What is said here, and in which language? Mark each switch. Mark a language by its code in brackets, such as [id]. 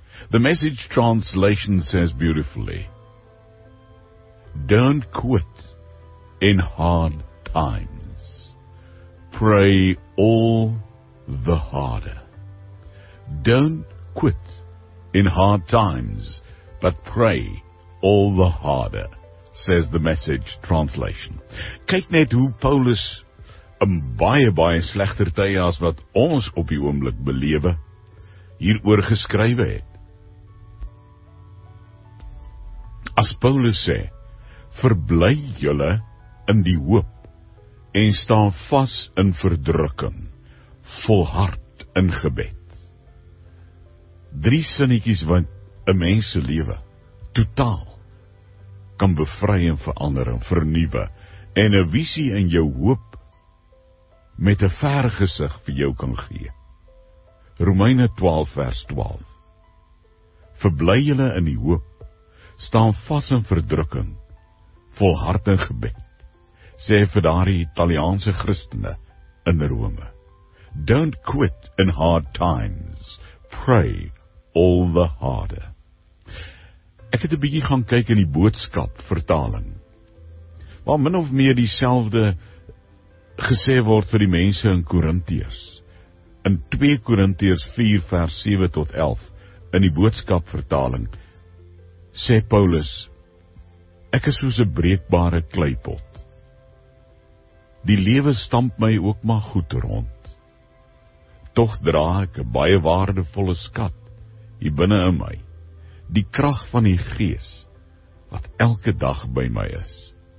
[en] The Message translation says beautifully, don't quit in hard times. Pray all the harder. Don't quit in hard times, but pray all the harder, says the Message translation. [af] Kyk net hoe Paulus baie slechter tye as wat ons op die oomblik belewe, hieroor geskrywe het. As Paulus sê, verbly julle in die hoop en staan vas in verdrukking, volhard in gebed. Drie sinnetjies wat 'n mens se lewe totaal kan bevry en verander en vernuwe en 'n visie in jou hoop met 'n ver gesig vir jou kan gee. Romeine 12 vers 12. Verbly julle in die hoop, staan vas in verdrukking, volhard in gebed, sê vir daardie Italiaanse Christene in Rome. [en] Don't quit in hard times, pray all the harder. [af] Ek het 'n bietjie gaan kyk in die boodskap vertaling, waar min of meer dieselfde gesê word vir die mense in Korintiërs. In 2 Korintiërs 4 vers 7 tot 11, in die boodskap vertaling, sê Paulus, ek is soos 'n breekbare kleipot. Die lewe stamp my ook maar goed rond. Toch dra ek 'n baie waardevolle skat hier binne in my, die krag van die gees, wat elke dag by my is.